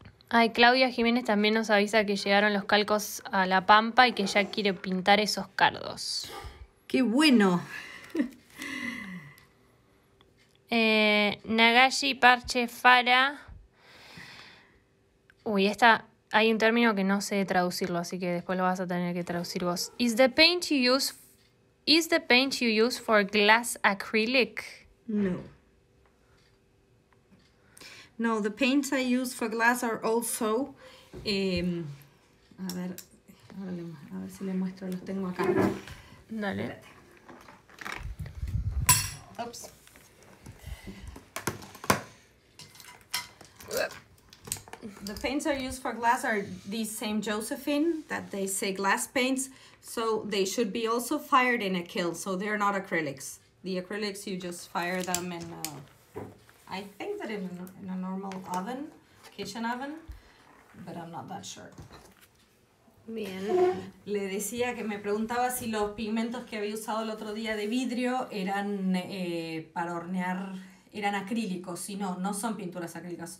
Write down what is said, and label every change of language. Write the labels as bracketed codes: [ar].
[es] Ay, Claudia Jiménez también nos avisa que llegaron los calcos a La Pampa y que ya quiere pintar esos cardos. ¡Qué bueno! Nagashi Parche Fara. Uy, esta, hay un término que no sé traducirlo, así que después lo vas a tener que traducir vos. [en] Is the paint you use for glass acrylic? No. No, the paints I use for glass are also... [es] A ver si le muestro, los tengo acá. Dale. [en] Oops. The paints I use for glass are these same Josephine that they say glass paints. So they should be also fired in a kiln. So they're not acrylics. The acrylics, you just fire them in... I think that in a normal oven, kitchen oven, but I'm not that sure. [es] Bien. Le decía que me preguntaba si los pigmentos que había usado el otro día de vidrio eran para hornear, eran acrílicos, y no son pinturas acrílicas.